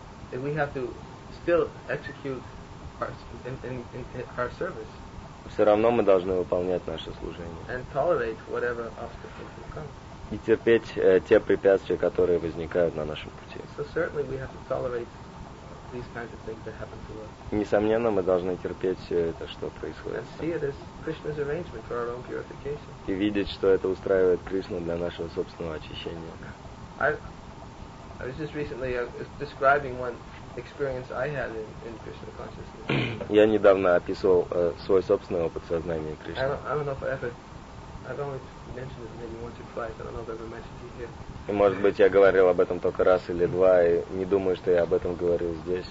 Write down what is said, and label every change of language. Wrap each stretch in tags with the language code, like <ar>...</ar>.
<en>That we have to still execute our service.</en> <ru>Все равно мы должны выполнять наше служение.</ru> <en>And tolerate whatever obstacles will come.</en> <ru>И терпеть те препятствия, которые возникают на нашем пути.</ru> <en>So certainly we have to tolerate these kinds of things that happen to us.</en> <ru>Несомненно, мы должны терпеть все это, что происходит.</ru> <en>And see it as Krishna's arrangement for our own purification.</en> <ru>И видеть, что это устраивает Кришну для нашего собственного очищения.</ru> <en>I was just recently describing one experience I had in Krishna consciousness.</en> <ru>Я недавно описывал свой собственный опыт сознания Кришны.</ru> <en>I've only mentioned it maybe once or twice. I don't know if I've ever mentioned it here.</en> <ru>И может быть я говорил об этом только раз или два, и не думаю, что я об этом говорил здесь.</ru>